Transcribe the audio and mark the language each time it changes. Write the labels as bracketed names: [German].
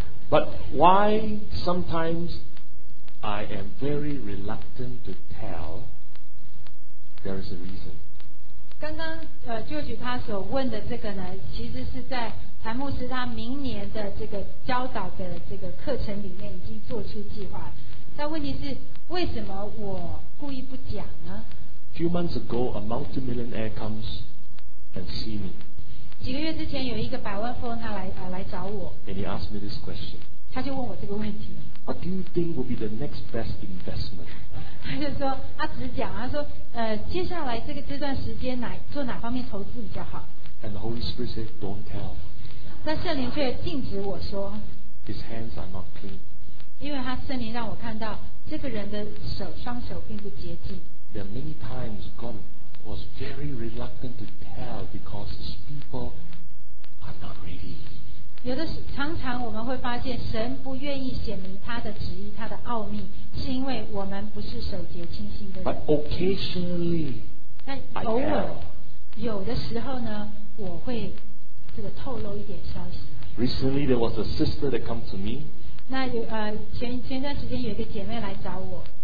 [English] But why sometimes I am very reluctant to tell, there is a reason. [Chinese] 刚刚, George 他所问的这个呢, 其实是在 谭牧师他明年的这个教导的这个课程里面已经做出计划, 但问题是, 为什么我故意不讲呢? [English] A few months ago, a multimillionaire comes and see me. [Chinese] 几个月之前有一个百万富翁他来找我, [English] and he asked me this question. [Chinese] 他就问我这个问题, [English] what do you think will be the next best investment? [Chinese] 他就说, 他只讲, 他说, 接下来这个这段时间哪, 做哪方面投资比较好? [English] And the Holy Spirit said, don't tell. [Chinese] 但圣灵却禁止我说, [English] his hands are not clean. [Chinese] 因为他圣灵让我看到, 这个人的手, 双手并不洁净。 [English] There are many times God was very reluctant to tell because his people are not ready. [Chinese] 有的常常我们会发现神不愿意显明他的旨意他的奥秘是因为我们不是守节清心的人 [English] But occasionally [Chinese] 但偶尔 有的时候呢 我会这个透露一点消息 [English] Recently there was a sister that come to me [Chinese] 那前段时间有一个姐妹来找我